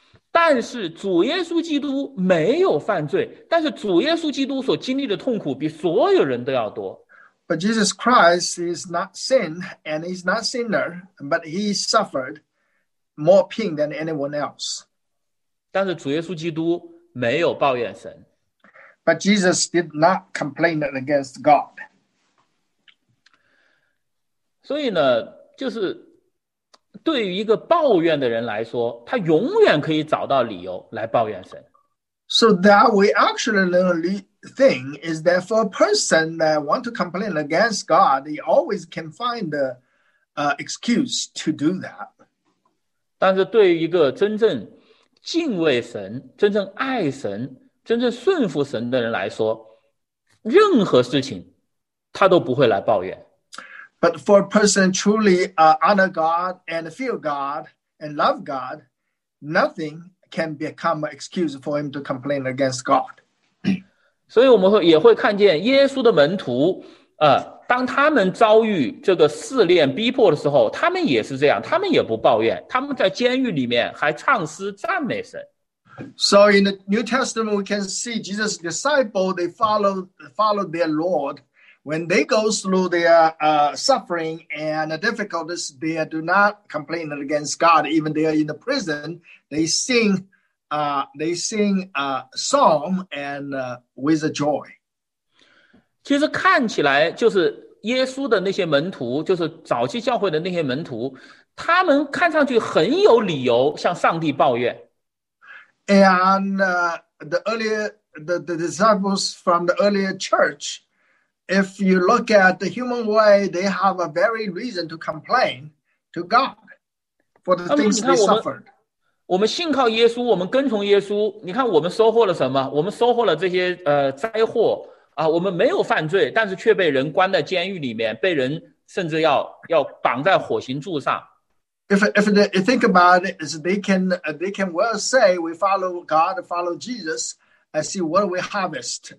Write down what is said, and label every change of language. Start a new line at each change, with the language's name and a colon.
Chinese: 但是主耶稣基督没有犯罪，但是主耶稣基督所经历的痛苦比所有人都要多。
English: But Jesus Christ is not sin and he's not sinner, but he suffered more pain than anyone else.
Chinese: 但是主耶稣基督没有抱怨神。
English: But Jesus did not complain against God.
Chinese: 所以呢，就是对于一个抱怨的人来说，他永远可以找到理由来抱怨神。
English: So that we actually learn a thing is that for a person that want to complain against God, he always can find the excuse to do that.
Chinese: 但是对于一个真正敬畏神、真正爱神、真正顺服神的人来说，任何事情他都不会来抱怨。
English: But for a person truly honor God and fear God and love God, nothing can become an excuse for him to complain against God.
Chinese: 所以我们也会看见耶稣的门徒，当他们遭遇这个试炼逼迫的时候，他们也是这样，他们也不抱怨，他们在监狱里面还唱诗赞美神。
English: So in the New Testament, we can see Jesus' disciples, they followed their Lord. When they go through their suffering and difficulties, they do not complain against God. Even they are in the prison, they sing a song and with a joy.
Chinese: 其实看起来就是耶稣的那些门徒，就是早期教会的那些门徒，他们看上去很有理由向上帝抱怨。
English: And the disciples from the earlier church, if you look at the human way, they have a very reason to complain to God for the things they suffered.
Chinese: 我们信靠耶稣，我们跟从耶稣，你看我们收获了什么？我们收获了这些灾祸啊，我们没有犯罪，但是却被人关在监狱里面，被人甚至要绑在火刑柱上。
English: If they think about it, they can well say we follow God, follow Jesus, and see what we harvest.